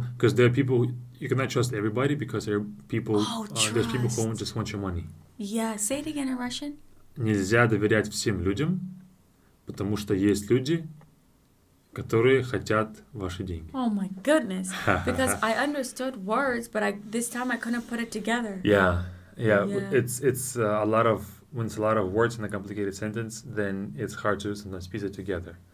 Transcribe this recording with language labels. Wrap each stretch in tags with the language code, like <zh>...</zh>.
<en>People, because there are people, you cannot trust everybody because there are people, there's people who just want your money. Yeah, say it again in Russian.</en> <ru>Нельзя доверять всем людям, потому что есть люди, которые хотят ваши деньги.</ru> <en>Oh my goodness. Because I understood words, but this time I couldn't put it together. Yeah, yeah. When it's a lot of words in a complicated sentence, then it's hard to sometimes piece it together.</en>